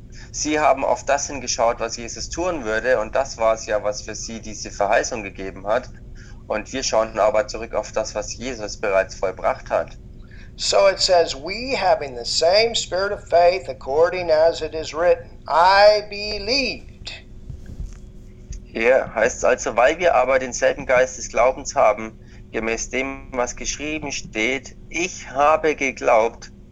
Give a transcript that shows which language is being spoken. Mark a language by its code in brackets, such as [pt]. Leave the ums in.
[de] sie haben auf das hingeschaut, was Jesus tun würde, und das war es ja, was für sie diese Verheißung gegeben hat. Und wir schauten aber zurück auf das, was Jesus bereits vollbracht hat. [en] So es says, we having the same spirit of faith according as it is written, I believe. [de] Hier yeah, heißt es also, weil wir aber denselben Geist des Glaubens haben, gemäß dem, was geschrieben steht, ich habe geglaubt.